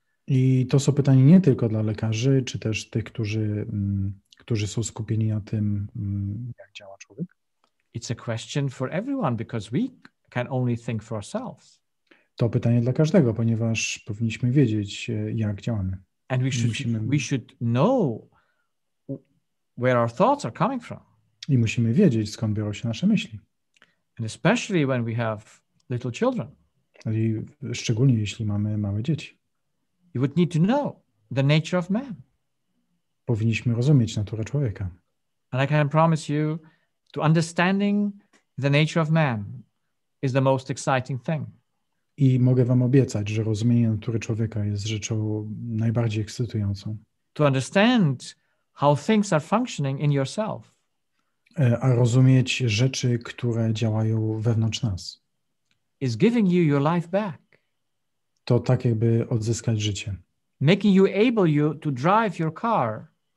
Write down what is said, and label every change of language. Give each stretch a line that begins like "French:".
Polish: I to są pytania nie tylko dla lekarzy, czy też tych, którzy są skupieni na tym, jak działa człowiek.
English: It's a question for everyone because we can only think for ourselves.
Polish: To pytanie dla każdego, ponieważ powinniśmy wiedzieć, jak działamy.
English: And we should know where our thoughts are coming from.
Polish: I musimy wiedzieć, skąd biorą się nasze myśli.
English: And especially when we have little children.
Polish: I szczególnie jeśli mamy małe dzieci.
English: You would need to know the nature of man.
Polish: Powinniśmy rozumieć naturę człowieka.
English: And I can promise you, to understanding the nature of man is the most exciting thing.
Polish: I mogę wam obiecać, że rozumienie natury człowieka jest rzeczą najbardziej ekscytującą.
English: To understand how things are functioning in yourself.
Polish: A rozumieć rzeczy, które działają wewnątrz nas.
English: Is giving you your life back.
Polish: To tak jakby odzyskać życie.
English: Making you able you to drive your car.